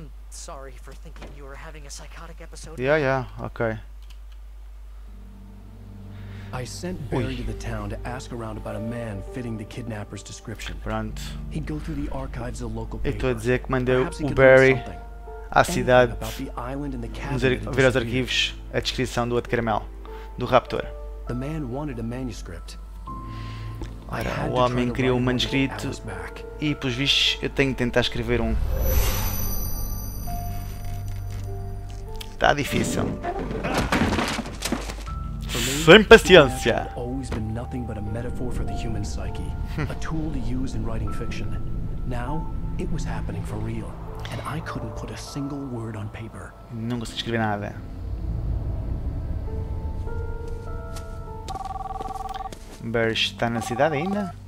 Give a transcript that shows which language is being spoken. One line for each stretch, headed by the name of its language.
English: Sorry for thinking you were having a psychotic episode. Yeah, yeah, okay. I sent Barry to the town to ask around about a man fitting the kidnapper's description.
Portuguese: Pronto.
English: He'd go through the archives of local paper.
Portuguese: Eu estou a dizer que mandei o Barry à cidade. Vamos ver os arquivos, a descrição do outro caramelo, do raptor.
English: The man wanted a manuscript.
Portuguese: Ora, o homem queria um manuscrito e, pelos vistos, eu tenho que tentar escrever um. Está difícil. Sem paciência.
English: Always been nothing but a metaphor for the human psyche, a tool to use in writing fiction. Now, it was happening for real, and I couldn't put a single word on paper.
Portuguese: Não consegui escrever nada. Barry está na cidade ainda?